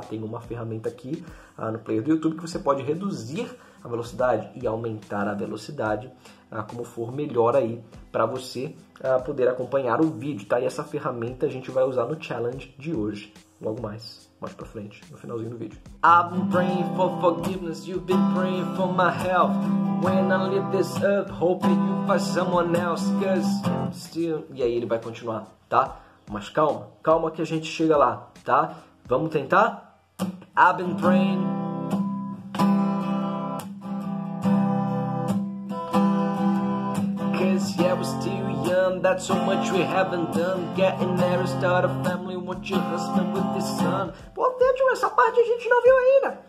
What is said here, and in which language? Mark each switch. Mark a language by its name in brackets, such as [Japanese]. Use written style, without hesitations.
[Portuguese] Tem uma ferramenta aqui no player do YouTube que você pode reduzir a velocidade e aumentar a velocidade, como for melhor aí para você poder acompanhar o vídeo, tá? E essa ferramenta a gente vai usar no challenge de hoje, logo mais. Mais pra frente, no finalzinho do vídeo. [English] I've been praying for forgiveness, you've been praying for my health. When I leave this earth, hoping you find someone else, cause still... [Portuguese] E aí ele vai continuar, tá? Mas calma, calma que a gente chega lá, tá? Vamos tentar? [English] I've been praying... Cause yeah, we're still young, that's so much we haven't done. Getting married, start a family, want your husband with his son. [Portuguese] Pô, Pedro, essa parte a gente não viu ainda.